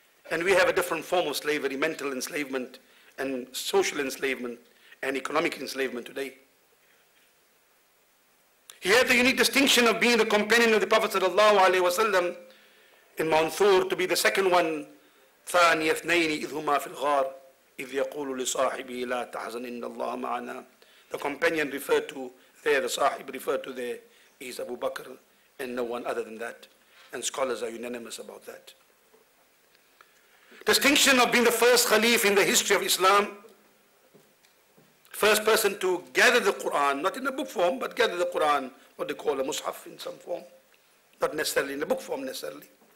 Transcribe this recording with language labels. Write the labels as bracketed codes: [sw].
[en] And we have a different form of slavery, mental enslavement and social enslavement and economic enslavement today. He had the unique distinction of being the companion of the Prophet sallallahu alaihi wasallam in Mount Thur, to be the second one. [ar] ثاني اثنين إذ هما في الغار إذ يقول لصاحبه لا تحزن إن الله معنا. [en] The companion referred to there, the sahib referred to there, is Abu Bakr and no one other than that. And scholars are unanimous about that. Distinction of being the first khalif in the history of Islam, first person to gather the Quran, not in a book form, but gather the Quran, what they call a mushaf in some form, not necessarily in a book form necessarily.